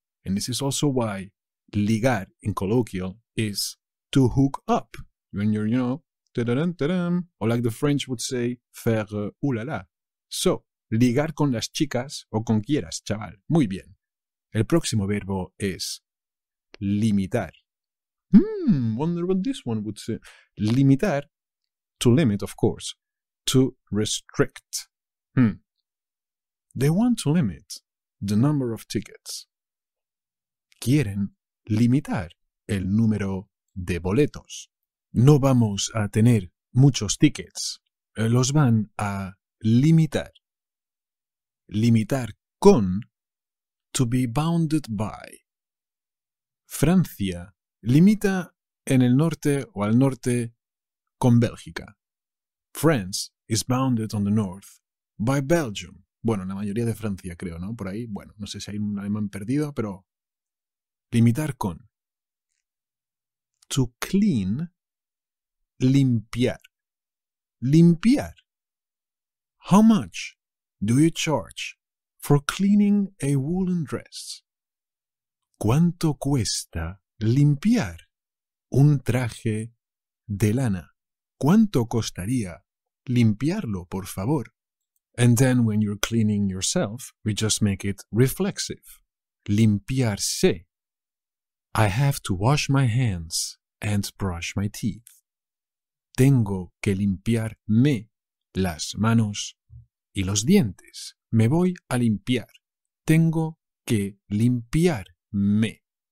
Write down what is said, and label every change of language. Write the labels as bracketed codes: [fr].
[en] And this is also why ligar in colloquial is to hook up. When you're, you know, ta-da-dum, ta-dum, or like the French would say, [fr] faire oulala. [es] So, ligar con las chicas o con quieras, chaval. Muy bien. El próximo verbo es limitar. [en] Wonder what this one would say. Limitar, to limit, of course, to restrict. They want to limit the number of tickets. [es] Quieren limitar el número de boletos. No vamos a tener muchos tickets. Los van a limitar. Limitar con, [en] to be bounded by. [es] Francia limita en el norte o al norte con Bélgica. [en] France is bounded on the north by Belgium. [es] Bueno, la mayoría de Francia, creo, ¿no? Por ahí, bueno, no sé si hay un alemán perdido, pero... Limitar con. [en] To clean, [es] limpiar. Limpiar. [en] How much do you charge for cleaning a woolen dress? [es] ¿Cuánto cuesta limpiar un traje de lana? ¿Cuánto costaría limpiarlo, por favor? [en] And then when you're cleaning yourself, we just make it reflexive. Limpiarse. I have to wash my hands and brush my teeth. [es] Tengo que limpiarme las manos y los dientes. Me voy a limpiar. Tengo que limpiarme.